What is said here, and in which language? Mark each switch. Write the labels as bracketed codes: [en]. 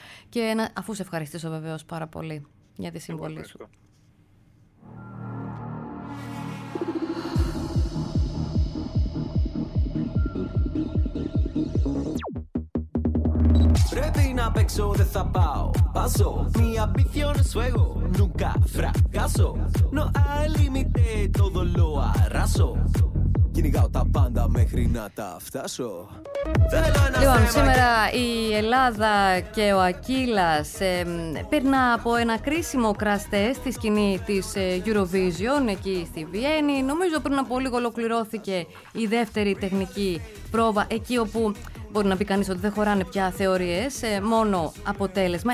[el] Και να, αφού σε ευχαριστήσω βεβαίως πάρα πολύ για τη συμβολή σου. Πρέπει να παίξω, δεν θα πάω. Πάσω, [es] mi ambición es fuego. Nunca fracaso. No hay límite, todo lo arraso. [el] Κυνηγάω τα πάντα μέχρι να τα φτάσω. Λοιπόν, σήμερα η Ελλάδα και ο Ακύλας περνά από ένα κρίσιμο crash test στη σκηνή της Eurovision εκεί στη Βιέννη. Νομίζω πριν από λίγο ολοκληρώθηκε η δεύτερη τεχνική πρόβα, εκεί όπου μπορεί να πει κανείς ότι δεν χωράνε πια θεωρίες, μόνο αποτέλεσμα.